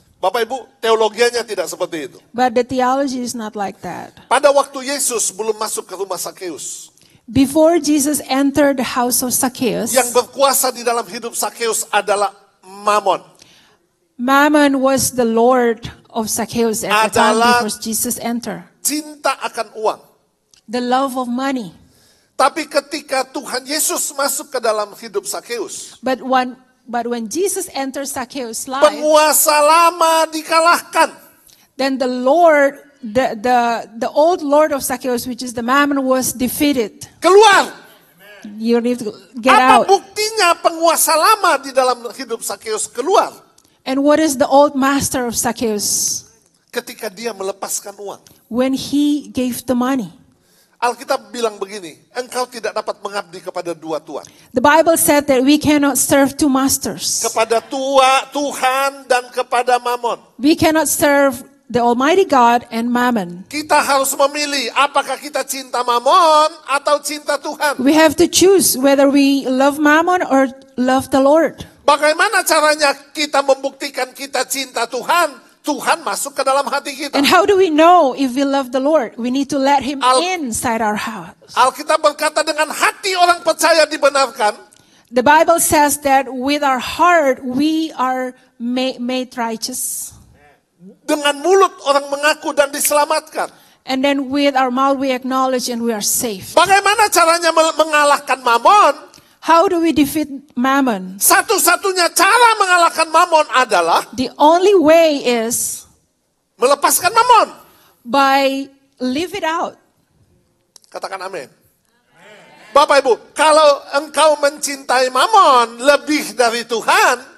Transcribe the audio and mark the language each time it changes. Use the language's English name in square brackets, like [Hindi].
[Indonesian] Bapak Ibu, teologinya tidak seperti itu. [English] But the theology is not like that. [Indonesian] Pada waktu Yesus belum masuk ke rumah Zakheus. [English] Before Jesus entered the house of Zakheus. [Indonesian] Yang berkuasa di dalam hidup Zakheus adalah Mammon. [English] Mammon was the lord of Zakheus at the time before Jesus entered. [Indonesian] Cinta akan uang. [English] The love of money. [Indonesian] Tapi ketika Tuhan Yesus masuk ke dalam hidup Zakheus. [English] But when Jesus enters Zakheus' life. [Indonesian] Penguasa lama dikalahkan. [English] Then the Lord, the old Lord of Zakheus, which is the Mammon, was defeated. [Indonesian] Keluar. [English] You need to get [Indonesian] apa [English] out. [Indonesian] Apa buktinya penguasa lama di dalam hidup Zakheus keluar? [English] And what is the old master of Zakheus? [Indonesian] Ketika dia melepaskan uang. [English] When he gave the money. [Indonesian] Alkitab bilang begini, engkau tidak dapat mengabdi kepada dua tuan. [English] The Bible said that we cannot serve two masters. [Indonesian] Kepada Tuhan dan kepada Mammon. [English] We cannot serve the Almighty God and Mammon. [Indonesian] Kita harus memilih apakah kita cinta Mammon atau cinta Tuhan. [English] We have to choose whether we love Mammon or love the Lord. [Indonesian] Bagaimana caranya kita membuktikan kita cinta Tuhan? Tuhan masuk ke dalam hati kita. [English] And how do we know if we love the Lord? We need to let him inside our heart. [Indonesian] Alkitab berkata dengan hati orang percaya dibenarkan. [English] The Bible says that with our heart we are made righteous. [Indonesian] Dengan mulut orang mengaku dan diselamatkan. [English] And then with our mouth we acknowledge and we are saved. [Indonesian] Bagaimana caranya mengalahkan Mammon? [English] How do we defeat Mammon? [Indonesian] Satu-satunya cara mengalahkan Mammon adalah [English] the only way is [Indonesian] melepaskan Mammon [English] by leave it out. [Indonesian] Katakan amin. Bapak Ibu, kalau engkau mencintai Mammon lebih dari Tuhan,